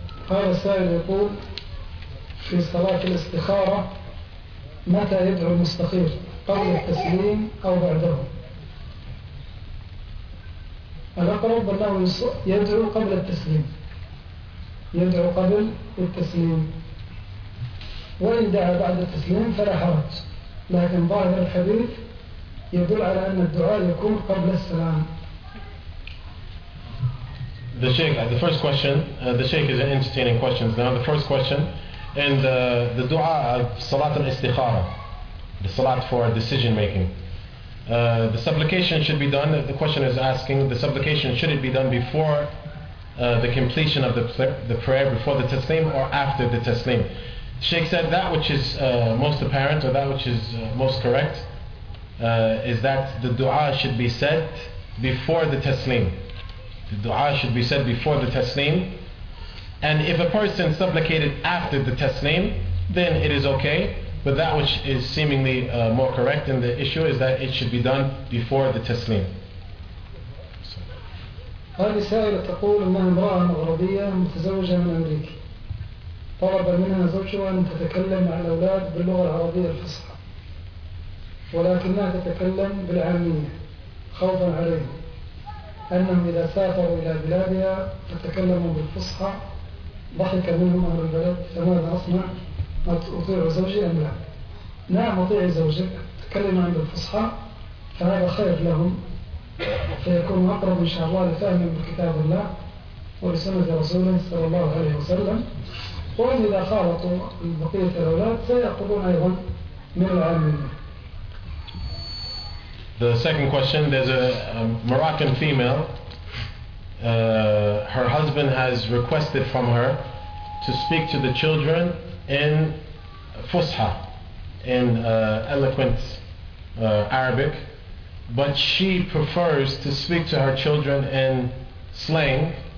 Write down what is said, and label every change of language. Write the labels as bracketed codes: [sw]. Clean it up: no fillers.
[ar] قال السائل يقول في صلاة الاستخارة متى يدعو المستخير قبل التسليم أو بعده؟ الأقرب أنه يدعو قبل التسليم. يدعو قبل التسليم. وإن دعا بعد التسليم فلا حرج. لكن ظاهر الحديث يدل على أن الدعاء يكون قبل السلام. [en] The Shaykh, the first question, the Shaykh is entertaining questions. Now the first question, and the dua of Salat al-Istikhara, the Salat for decision making. The supplication should be done, the question is asking, the supplication, should it be done before the completion of the prayer, before the taslim or after the taslim? The Shaykh said that which is most apparent or that which is most correct is that the dua should be said before the taslim. The dua should be said before the taslim. And if a person supplicated after the taslim, then it is okay. But that which is seemingly more correct in the issue is that it should be done before the taslim. [ar] هذه سائلة تقول أنها امرأة مغربية متزوجة من أمريكا. طلب منها زوجها أن تتكلم مع الأولاد باللغة العربية الفصحى. ولكنها تتكلم بالعامية خوفا عليهم. أنهم إذا سافروا إلى بلادها فتكلموا بالفصحى ضحك منهم أهل البلد فماذا أصنع؟ أطيع زوجي أم لا؟ نعم أطيع زوجك تكلم عن بالفصحى فهذا خير لهم فيكون أقرب إن شاء الله لفهمهم بكتاب الله ولسنة رسوله صلى الله عليه وسلم وإن إذا خالطوا بقية الأولاد سيأخذون أيضا من العلمين. [en] The second question, there's a Moroccan female, her husband has requested from her to speak to the children in Fusha, in eloquent Arabic, but she prefers to speak to her children in slang